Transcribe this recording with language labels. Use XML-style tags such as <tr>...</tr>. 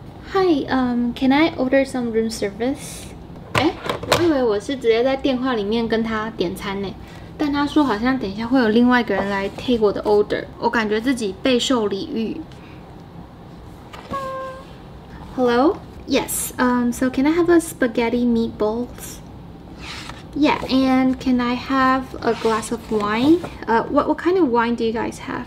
<en>Hi, can I order some room service?</en> <zh>欸，我以为我是直接在电话里面跟他点餐呢，但他说好像等一下会有另外一个人来 take 我的 order， 我感觉自己备受礼遇。</zh> <en>Hello? Yes, so can I have a spaghetti meatballs? Yeah, and can I have a glass of wine? What kind of wine do you guys have?</en>